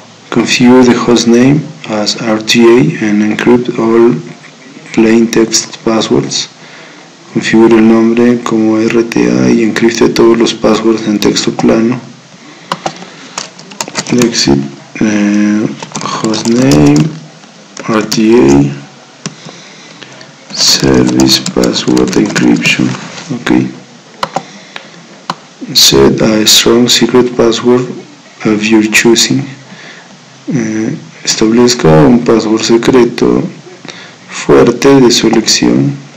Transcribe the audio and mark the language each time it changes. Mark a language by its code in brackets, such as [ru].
[en] Configure the hostname as RTA and encrypt all plain text passwords. [es] Configure el nombre como RTA y encripte todos los passwords en texto plano. [en] Exit hostname RTA service password encryption. Ok. Set a strong secret password of your choosing. [es] Establezca un password secreto fuerte de su elección.